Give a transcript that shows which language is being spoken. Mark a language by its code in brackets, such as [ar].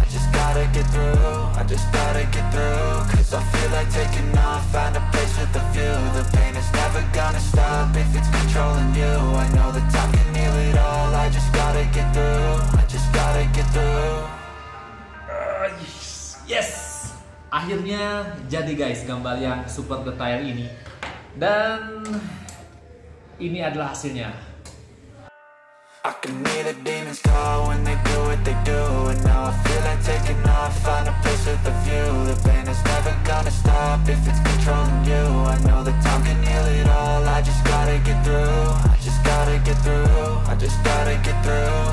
[en] I just gotta get through, I just gotta get through. Cause I feel like taking off, find a place with a view. The pain is never gonna stop if it's controlling you. I know the time can heal it all, I just gotta get through. I just gotta get through. [id] Yes, akhirnya jadi guys gambar yang super detail ini, dan ini adalah hasilnya. [en] I can hear the demons call when they do what they do. And now I feel like taking off, find a place with a view. The pain is never gonna stop if it's controlling you. I know the time can heal it all, I just gotta get through. I just gotta get through, I just gotta get through.